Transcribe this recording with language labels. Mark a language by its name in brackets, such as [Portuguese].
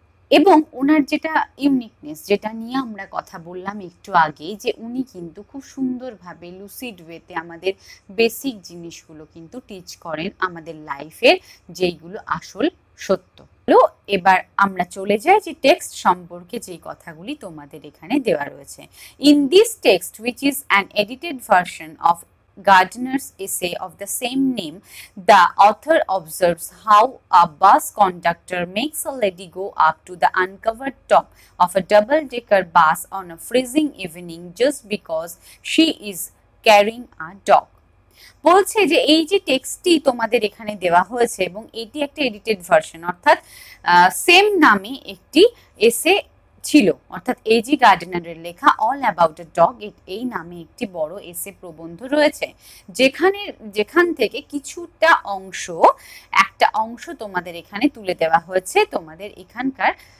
[Bangla] এবং ওনার যেটা ইউনিকনেস, যেটা নিয়ে আমরা কথা বললাম একটু আগে, যে উনি কিন্তু খুব সুন্দরভাবে লুসিড ওয়েতে আমাদের বেসিক জিনিসগুলো কিন্তু টিচ করেন আমাদের লাইফের, যেইগুলো আসল সত্য। তো এবার আমরা চলে যাই যে টেক্সট সম্পর্কে যেই কথাগুলি তোমাদের এখানে দেওয়া রয়েছে। [English] In this text which is an edited version of Gardiner's essay of the same name, the author observes how a bus conductor makes a lady go up to the uncovered top of a double-decker bus on a freezing evening just because she is carrying a dog. [Bangla] বলছে যে এই যে টেক্সটটি তোমাদের এখানে দেওয়া হয়েছে এবং এটি একটা এডিটেড ভার্সন, অর্থাৎ সেম নামে একটি এসে ছিল, অর্থাৎ এজি গার্ডনারের লেখা অল অ্যাবাউট আ ডগ, এই নামে একটি বড় এসে প্রবন্ধ রয়েছে, যেখানে যেখান থেকে কিছুটা অংশ, একটা অংশ তোমাদের এখানে তুলে দেওয়া হয়েছে তোমাদের এখানকার